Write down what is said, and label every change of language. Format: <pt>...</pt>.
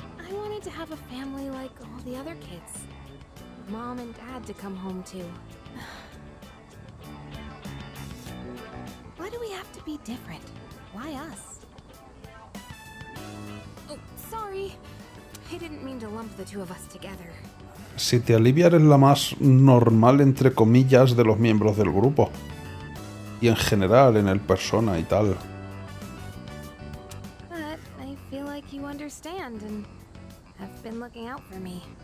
<en>I wanted to have a family like all the other kids. Mom and dad to come home to. Why do we have to be different? Why us? Oh, sorry. I didn't mean to lump the two of us together.</en> <es>Si te alivia, eres la más normal, entre comillas, de los miembros del grupo. Y en general, en el persona y tal.</es> <en>But I feel like you understand and have been looking out for me.</en>